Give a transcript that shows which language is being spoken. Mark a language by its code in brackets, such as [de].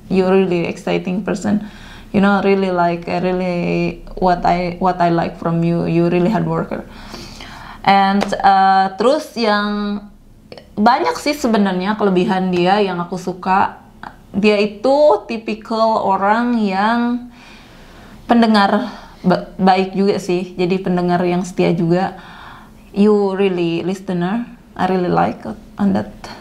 [en] You really exciting person, you know, really like, really what I like from you. You really hard worker. And [id] terus yang banyak sih sebenarnya kelebihan dia yang aku suka, dia itu typical orang yang pendengar baik juga sih, jadi pendengar yang setia juga. [en] You really listener, I really like on that.